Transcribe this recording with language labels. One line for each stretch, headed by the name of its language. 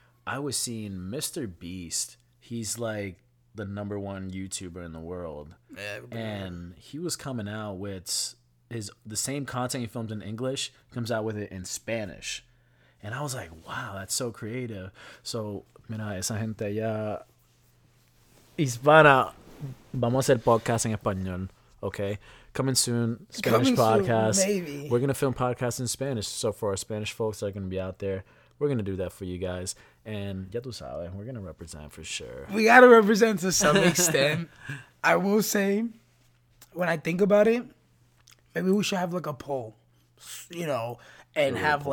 English: I was seeing Mr. Beast. He's like the number one YouTuber in the world. Yeah, and he was coming out with the same content he filmed in English, comes out with it in Spanish. And I was like, wow, that's so creative.
Spanish: So, mira, esa gente ya hispana, vamos a hacer podcast en español, okay?
English: Coming soon, Spanish coming podcast. Soon, maybe. We're going to film podcasts in Spanish. So for our Spanish folks that are going to be out there, we're going to do that for you guys. And
Spanish: ya tú sabes,
English: we're going to represent for sure. We got to represent to some extent. I will say, when I think about it, maybe we should have like a poll, you know, and have poll.